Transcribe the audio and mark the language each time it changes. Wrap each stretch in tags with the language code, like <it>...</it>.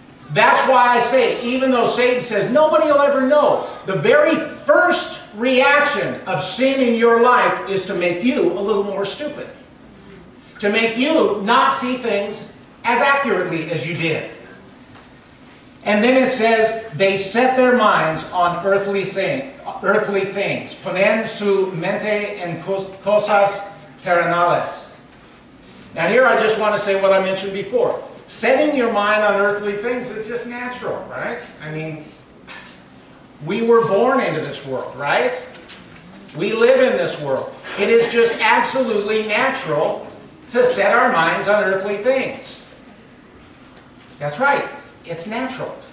<en>That's why I say, even though Satan says nobody will ever know, the very first reaction of sin in your life is to make you a little more stupid. To make you not see things as accurately as you did. And then it says, they set their minds on earthly things.</en> <es>Ponen su mente en cosas terrenales.</es> <en>Now here I just want to say what I mentioned before. Setting your mind on earthly things is just natural, right? I mean, we were born into this world, right? We live in this world. It is just absolutely natural to set our minds on earthly things. That's right. It's natural.</en>